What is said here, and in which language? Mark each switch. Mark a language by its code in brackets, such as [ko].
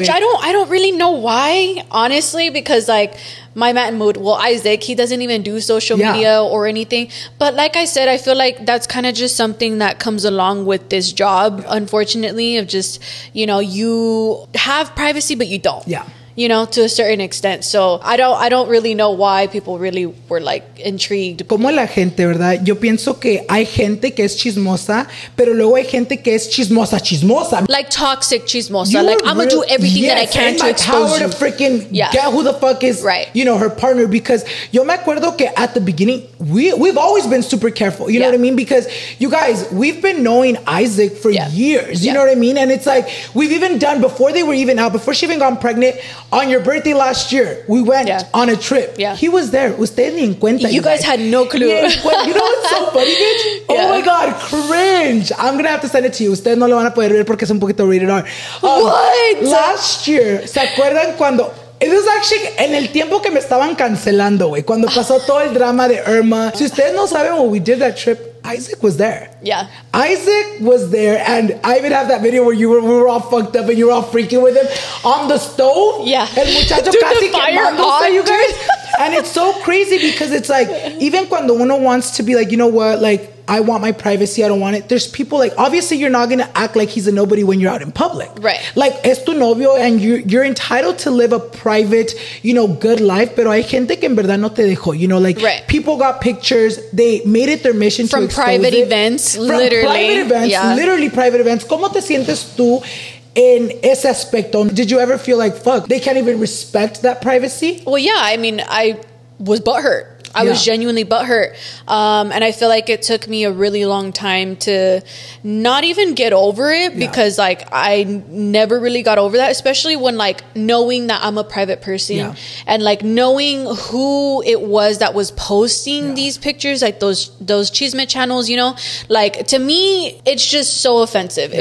[en] Which I don't really know why, honestly, because like my man Mood, well, Isaac, he doesn't even do social media or anything. But like I said, I feel like that's kind of just something that comes along with this job, unfortunately, of just, you know, you have privacy, but you don't. Yeah. You know, to a certain extent. So I don't really know why people really were like intrigued. [es] Como la gente, ¿verdad? Yo pienso que hay gente que es chismosa, pero luego hay gente que es chismosa, chismosa. [en] Like toxic chismosa. Like, I'm going to do everything that I can to expose you. Yes, in my power to freaking get who the fuck is, you know, her partner. Because yo me acuerdo que at the beginning, we've always been super careful. You know what I mean? Because you guys, we've been knowing Isaac for years. You know what I mean? And it's like, we've even done, before they were even out, before she even got pregnant, on your birthday last year, we went on a trip. Yeah. [es] He was there. Usted ni en cuenta. [en] You guys had no clue. You know what's so funny, bitch? Yeah. Oh my God, cringe. I'm going to have to send it to you. [es] Usted no lo van a poder ver porque es un poquito rated R. [en] What? [es] Last year, ¿se acuerdan cuando? It was actually en el tiempo que me estaban cancelando, güey. Cuando pasó todo el drama de Irma. [en] Si ustedes no saben, when we did that trip, Isaac was there. Yeah. Isaac was there, and I even have that video where we were all fucked up and you were all freaking with him on the stove. Yeah. [es] El muchacho [en] dude, [es] casi [en] the fire quemándose, on, you guys. Dude. And it's so crazy because it's like, even cuando uno wants to be like, you know what, like, I want my privacy, I don't want it. There's people like, obviously you're not going to act like he's a nobody when you're out in public. Right. Like, es tu novio and you're entitled to live a private, you know, good life. [es] Pero hay gente que en verdad no te dejó. [en] You know, like, people got pictures. They made it their mission from to expose private it. Events, from literally. Private events, literally private events. [es] ¿Cómo te sientes tú en ese aspecto? [en] Did you ever feel like, fuck, they can't even respect that privacy? Well, yeah. I mean, I was butthurt. I was genuinely butthurt. And I feel like it took me a really long time to not even get over it because like I never really got over that, especially when like knowing that I'm a private person and like knowing who it was that was posting these pictures, like those chisme channels, you know, like to me, it's just so offensive.